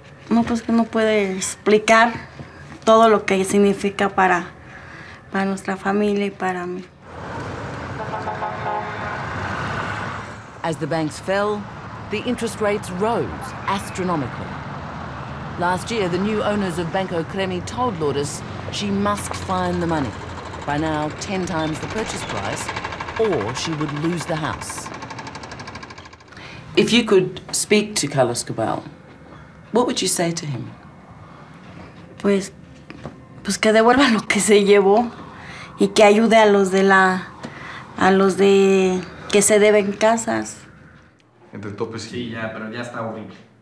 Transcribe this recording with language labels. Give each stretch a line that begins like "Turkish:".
Spanish: No, pues que no puede explicar todo lo que significa para nuestra familia y para mí.
English: As the banks fell, the interest rates rose astronomically. Last year, the new owners of Banco Cremi told Lourdes she must find the money. By now, 10 times the purchase price, or she would lose the house. If you could speak to Carlos Cabal, what would you say to him?
Spanish: Pues que devuelva lo que se llevó y que ayude a los de que se deben casas. Entre topes, sí, ya, pero ya está horrible.